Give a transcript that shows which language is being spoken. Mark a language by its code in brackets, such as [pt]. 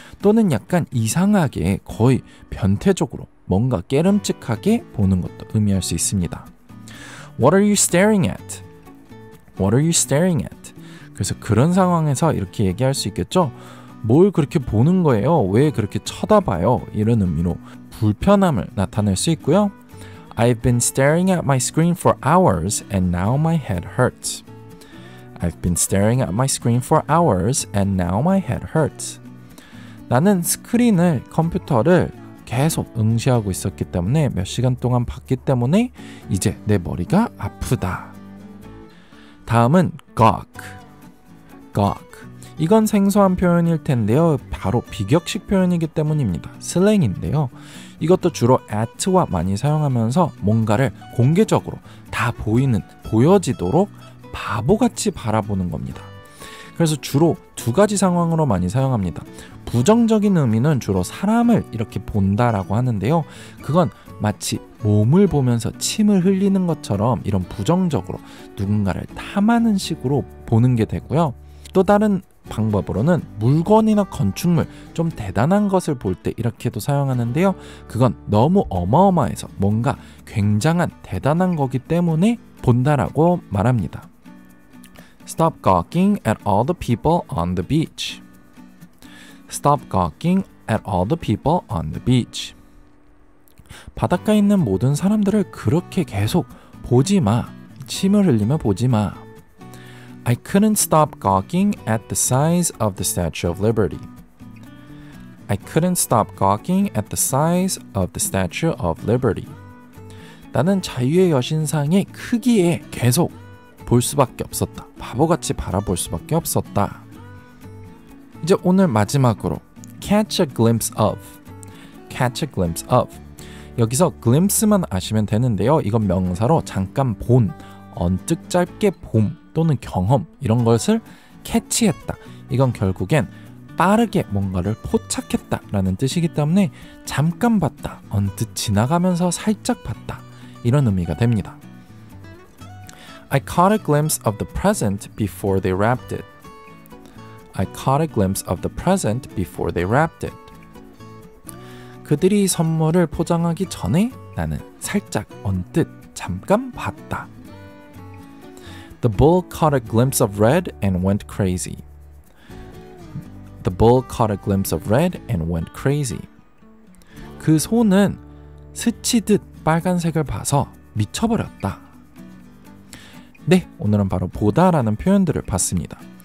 [ko] 또는 약간 이상하게 거의 변태적으로 뭔가 깨름칙하게 보는 것도 의미할 수 있습니다. [en] What are you staring at? What are you staring at? [ko] 그래서 그런 상황에서 이렇게 얘기할 수 있겠죠. 뭘 그렇게 보는 거예요? 왜 그렇게 쳐다봐요? 이런 의미로 불편함을 나타낼 수 있고요. [en] I've been staring at my screen for hours and now my head hurts. I've been staring at my screen for hours and now my head hurts. [ko] 나는 스크린을, 컴퓨터를 계속 응시하고 있었기 때문에 몇 시간 동안 봤기 때문에 이제 내 머리가 아프다. 다음은 gawk. gawk. 이건 생소한 표현일 텐데요. 바로 비격식 표현이기 때문입니다. 슬랭인데요. 이것도 주로 at와 많이 사용하면서 뭔가를 공개적으로 다 보이는, 보여지도록 바보같이 바라보는 겁니다. 그래서 주로 두 가지 상황으로 많이 사용합니다. 부정적인 의미는 주로 사람을 이렇게 본다라고 하는데요. 그건 마치 몸을 보면서 침을 흘리는 것처럼 이런 부정적으로 누군가를 탐하는 식으로 보는 게 되고요. 또 다른 방법으로는 물건이나 건축물, 좀 대단한 것을 볼 때 이렇게도 사용하는데요. 그건 너무 어마어마해서 뭔가 굉장한 대단한 거기 때문에 본다라고 말합니다. [en] Stop gawking at all the people on the beach. Stop gawking at all the people on the beach. [ko] 바닷가에 있는 모든 사람들을 그렇게 계속 보지 마. 침을 흘리며 보지 마. [en] I couldn't stop gawking at the size of the Statue of Liberty. I couldn't stop gawking at the size of the Statue of Liberty. [ko] 나는 자유의 여신상의 크기에 계속 볼 수밖에 없었다. 바보같이 바라볼 수밖에 없었다. 이제 오늘 마지막으로 catch a glimpse of. catch a glimpse of. 여기서 glimpse만 아시면 되는데요. 이건 명사로 잠깐 본, 언뜻 짧게 봄 또는 경험 이런 것을 캐치했다. 이건 결국엔 빠르게 뭔가를 포착했다 라는 뜻이기 때문에 잠깐 봤다, 언뜻 지나가면서 살짝 봤다 이런 의미가 됩니다. [en] I caught a glimpse of the present before they wrapped it. I caught a glimpse of the present before they wrapped it. [ko] 그들이 선물을 포장하기 전에 나는 살짝 언뜻 잠깐 봤다. [en] The bull caught a glimpse of red and went crazy. The bull caught a glimpse of red and went crazy. [ko] 그 소는 스치듯 빨간색을 봐서 미쳐버렸다. 네, 오늘은 바로 보다라는 표현들을 봤습니다.